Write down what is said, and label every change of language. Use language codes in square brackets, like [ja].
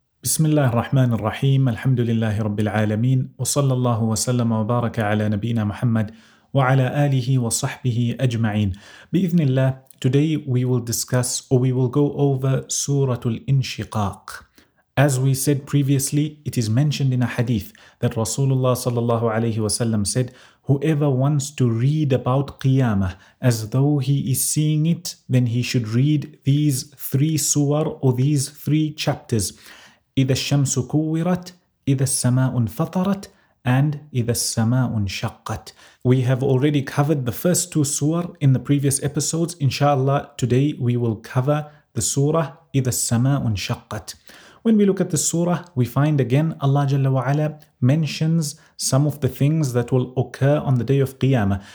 [ar] بسم الله الرحمن الرحيم الحمد لله رب العالمين وصلى الله وسلم وبارك على نبينا محمد وعلى آله وصحبه أجمعين بإذن الله. [en] Today we will discuss or we will go over Surah Al-Inshiqaq. As we said previously, it is mentioned in a hadith that Rasulullah sallallahu alayhi wasallam said, whoever wants to read about Qiyamah as though he is seeing it, then he should read these three surah or these three chapters. [ar] إذا الشمس كورت إذا السماء انفطرت and إذا السماء انشقت. [en] We have already covered the first two surah in the previous episodes. Inshallah, today we will cover the surah [ar] إذا السماء انشقت. [en] When we look at the surah, we find again Allah Jalla wa'ala mentions some of the things that will occur on the day of Qiyamah.